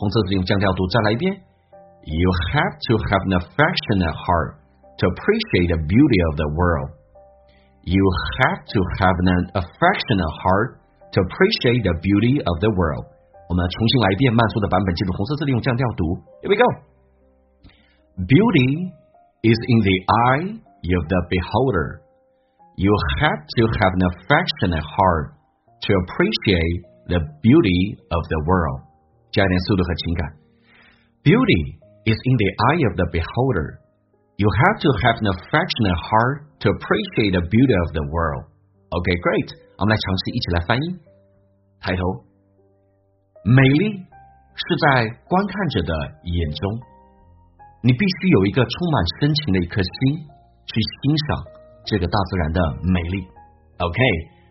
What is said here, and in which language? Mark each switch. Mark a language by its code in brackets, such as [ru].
[zh] 红色字体用降调读再来一遍， [en] You have to have an affectionate heart to appreciate the beauty of the world. You have to have an affectionate heart to appreciate the beauty of the world. [zh] 我们重新来一遍慢速的版本，记住红色字体用降调读。 [en] Here we go. Beauty is in the eye of the beholder. You have to have an affectionate heart to appreciate the beauty of the world. [zh] 加一点速度和情感。 [en] Beauty. Is in the eye of the beholder. You have to have an affectionate heart to appreciate the beauty of the world. Okay, great. [zh] 我们来尝试一起来翻译。抬头，美丽是在观看者的眼中，你必须有一个充满深情的一颗心去欣赏这个大自然的美丽。 [en] Okay.